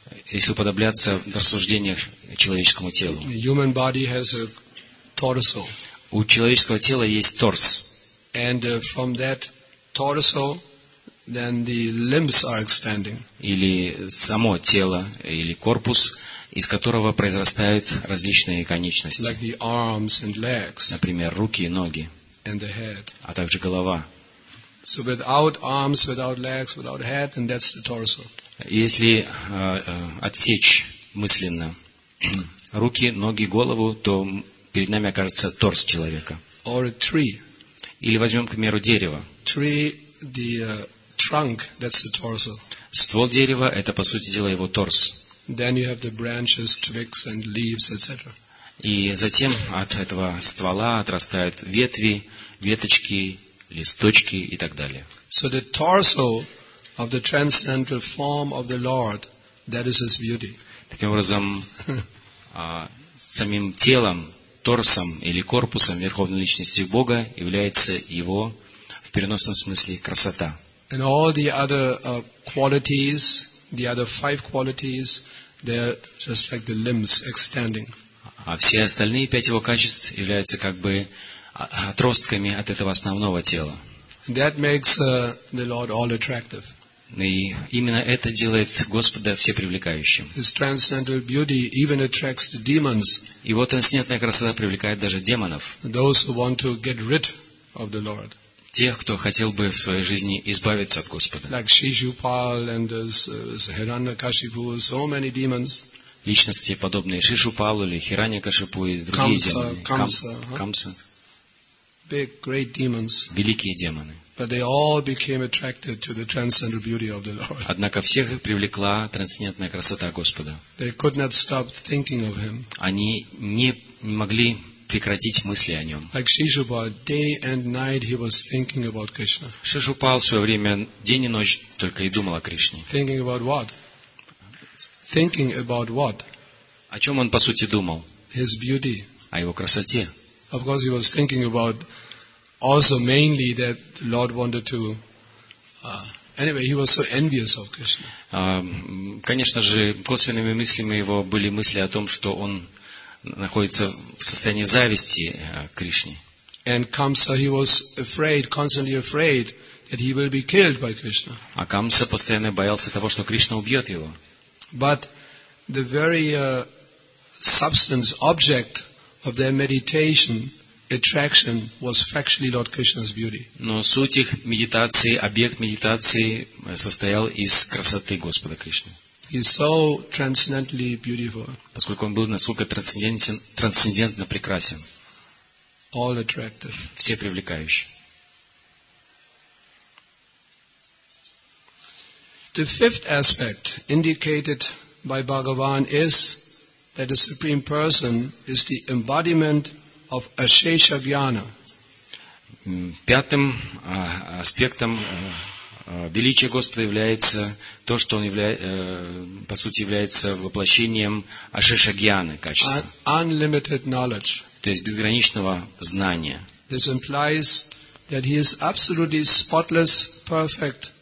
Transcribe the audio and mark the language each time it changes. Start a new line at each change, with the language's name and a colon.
Russian: Если уподобляться в рассуждениях человеческому телу.
English: The human body has a torso.
Russian: У человеческого тела есть торс.
English: And from that torso, then the limbs are expanding.
Russian: Или само тело, или корпус, из которого произрастают различные конечности.
English: Like the arms and legs.
Russian: Например, руки и ноги.
English: And the head.
Russian: А также голова.
English: So without arms, without legs, without head, and that's the torso.
Russian: Если отсечь мысленно руки, ноги, голову, то перед нами окажется торс человека.
English: Or a tree.
Russian: Или возьмем, к примеру, дерево.
English: Tree, the trunk, that's the torso.
Russian: Ствол дерева – это, по сути дела, его торс.
English: Then you have the branches, twigs, and leaves, etc.
Russian: И затем от этого ствола отрастают ветви, веточки, листочки и так далее.
English: So the torso of the transcendental form of the Lord, that is His beauty.
Russian: Таким образом, самим телом, торсом или корпусом Верховной Личности Бога является Его, в переносном смысле, красота.
English: And all the other qualities, the other five qualities, they're just like the limbs extending.
Russian: А все остальные пять его качеств являются как бы отростками от этого основного тела.
English: That makes the Lord all attractive.
Russian: И именно это делает Господа всепривлекающим.
English: His transcendental beauty even attracts the demons.
Russian: Его трансцендентная красота привлекает даже демонов.
English: Those who want to get rid of the Lord.
Russian: Тех, кто хотел бы в своей жизни избавиться от Господа.
English: Like Shishupal and Hiranyakashipu, so many demons.
Russian: Личности, подобные Шишупалу или Хираньякашипу и другие
English: Камса. Big, great demons.
Russian: Великие демоны.
English: But they all became attracted to the transcendental beauty of the Lord.
Russian: Однако всех привлекла трансцендентная красота Господа.
English: They could not stop thinking of Him.
Russian: Они не могли прекратить мысли о Нем.
English: Like Shishupal, day and night he was thinking about Krishna.
Russian: Шишупал в свое время день и ночь только и думал о Кришне.
English: Thinking about what? Thinking about what?
Russian: О чем он по сути думал?
English: His beauty.
Russian: О его красоте.
English: Of course he was thinking about also mainly that the Lord wanted to anyway he was so envious of Krishna.
Russian: Конечно же, косвенными мыслями его были мысли о том, что он находится в состоянии зависти к Кришне.
English: And Kamsa, he was afraid, constantly afraid that he will be killed by Krishna.
Russian: А Камса постоянно боялся того, что Кришна убьет его.
English: But the very substance, object of their meditation, attraction, was factually Lord Krishna's beauty.
Russian: Но суть их медитации, объект медитации, состоял из красоты Господа Кришны.
English: He's so transcendently beautiful.
Russian: Поскольку он был настолько трансцендентно прекрасен.
English: All attractive.
Russian: Все привлекающие.
English: The fifth aspect indicated by Bhagavan is that the Supreme Person is the embodiment of Ashesha Jnana.
Russian: Пятым аспектом величия Господа является то, что Он по сути является воплощением Ашеша Гьяны качества.
English: Unlimited knowledge.
Russian: То есть безграничного знания.
English: This implies that He is absolutely spotless, perfect.